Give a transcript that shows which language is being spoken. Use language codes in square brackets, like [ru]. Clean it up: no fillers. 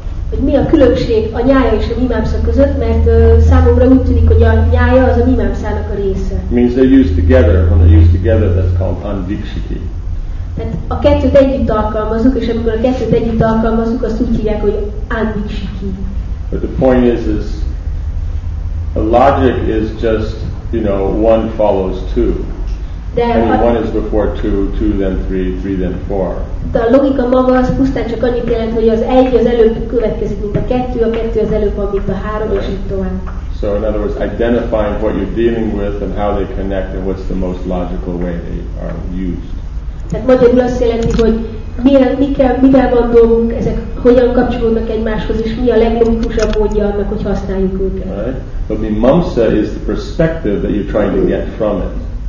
[hu] Hogy mi a különbség a nyája és a mimamsa között, mert számomra úgy tűnik, hogy a nyája az a mimamsának a része. [en] Means they're used together. When they're used together, that's called andikshiti. [hu] Tehát a kettőt együtt alkalmazunk, és amikor a kettőt együtt alkalmazunk, azt úgy hívják, hogy andikshiti. [en] But the point is a logic is just, you know, one follows two. [hu] De [en] I mean, one is before two, then three, then four. [hu] De a logika maga az pusztán csak annyit jelent, hogy az egy az előbb következik, mint a kettő az előbb van, mint a három, és így tovább. [en] So in other words, identifying what you're dealing with and how they connect and what's the most logical way they are used. [hu] Tehát magyarul azt jelenti, hogy mivel van dolgunk, ezek hogyan kapcsolódnak egymáshoz, és mi a leglogikusabb módja annak, hogy használjuk őket. [en] Right? But mimamsa is the perspective that you're trying to get from it.